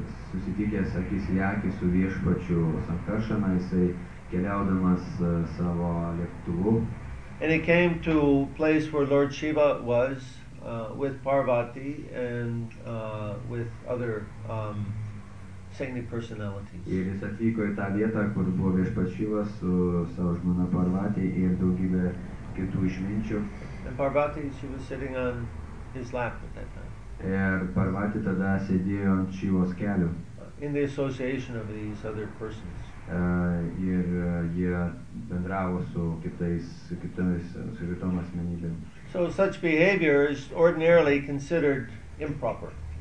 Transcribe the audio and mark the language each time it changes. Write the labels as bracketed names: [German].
[Lithuanian] susitikęs akis į akį su viešpačiu Sankaršana, jisai keliaudamas savo lėktuvu. [English] And he came to a place where Lord Shiva was with Parvati and with other saintly personalities. [Lithuanian] Ir jis atvyko į tą vietą, kur buvo viešpats Šyva su savo žmona Parvati ir daugybė kitų išminčių. [English] And Parvati, she was sitting on his lap at that time. [Lithuanian] Ir Parvati tada sėdėjo ant Šyvos kelių. [English] In the association of these other persons. [Lithuanian] Jie bendravo su kitom asmenybėm. [English] So such behavior is ordinarily considered improper.